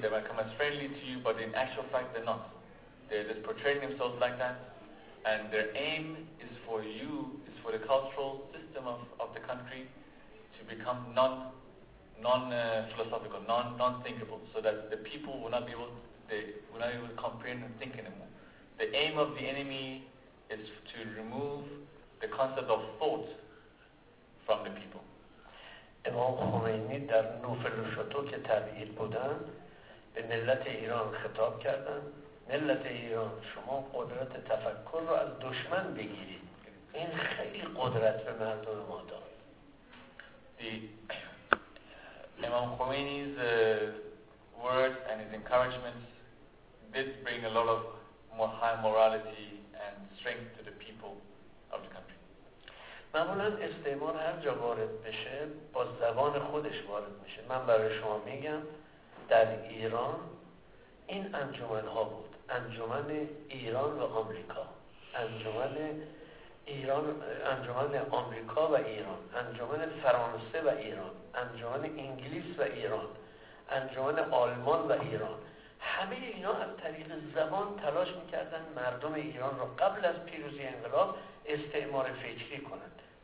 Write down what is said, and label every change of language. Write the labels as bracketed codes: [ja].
[en] They might come as friendly to you, but in actual fact they're not. They're just portraying themselves like that, and their aim is for you, is for the cultural system of the country to become non-philosophical, non thinkable, so that the people will not be able to, they will not even comprehend and think anymore. The aim of the enemy is to remove the concept of thought from the people. [fa] امام خمینی در نوفل و شتو که تبعید بودن به ملت ایران خطاب کردن: ملت ایران، شما قدرت تفکر رو از دشمن بگیرید. این خیلی قدرت به مردم ما داد. [en] امام خمینی's words and his encouragements did bring a lot of more high morality and strength to the people of the country. [fa] معمولاً استعمار هر جا وارد بشه با زبان خودش وارد میشه. من برای شما میگم در ایران این انجمن‌ها بود، انجمن ایران و آمریکا، انجمن آمریکا و ایران، انجمن فرانسه و ایران، انجمن انگلیس و ایران، انجمن آلمان و ایران، همه اینا از طریق زبان تلاش میکردن مردم ایران رو قبل از پیروزی انقلاب استعمار فکری کنند.